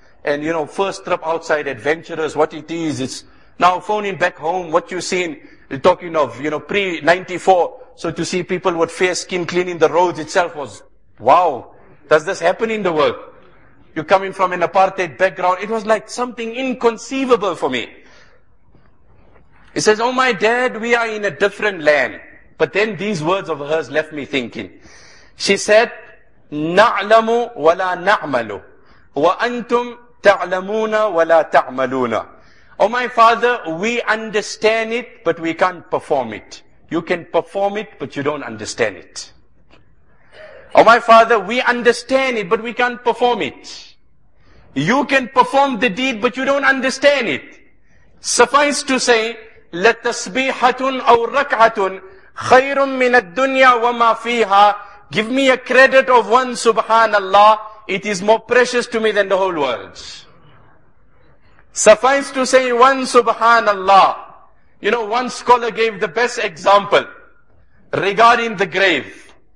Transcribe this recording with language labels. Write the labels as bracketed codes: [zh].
[en] And you know, first trip outside, adventurous, what it is, it's now phoning back home, what you've seen, talking of, you know, pre-94, so to see people with fair skin cleaning the roads itself was, wow, does this happen in the world? You're coming from an apartheid background, it was like something inconceivable for me. He says, oh my dad, we are in a different land. But then these words of hers left me thinking. She said, [ar] نَعْلَمُ وَلَا نَعْمَلُ وَأَنْتُمْ تَعْلَمُونَ وَلَا تَعْمَلُونَ. [en] Oh my father, we understand it, but we can't perform it. You can perform it, but you don't understand it. Oh my father, we understand it, but we can't perform it. You can perform the deed, but you don't understand it. Suffice to say, [ar] لَتَسْبِيحَةٌ أَوْ رَكْعَةٌ خَيْرٌ مِنَ الدُّنْيَا وَمَا فِيهَا. [en] Give me a credit of one subhanallah, it is more precious to me than the whole world. Suffice to say, one subhanallah. You know, one scholar gave the best example regarding the grave.